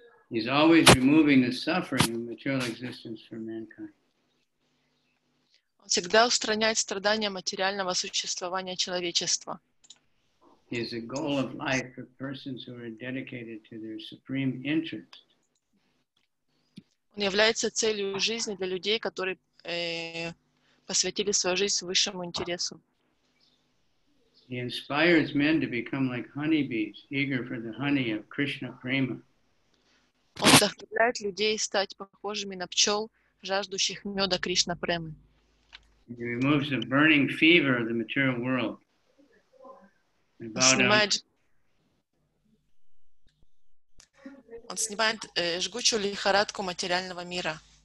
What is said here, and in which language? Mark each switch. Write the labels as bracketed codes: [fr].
[en] He's always removing the suffering of material existence from mankind. [ru] Он всегда устраняет страдания материального существования человечества. [en] He is a goal of life for persons who are dedicated to their supreme interest. [ru] является целью жизни для людей, которые посвятили свою жизнь высшему интересу. [en] He inspires men to become like honeybees, eager for the honey of Krishna Prema. [ru] Он вдохновляет людей стать похожими на пчел, жаждущих меда Кришна Премы. [en] He removes the burning fever of the material world. [ru] Он снимает жгучую лихорадку материального мира.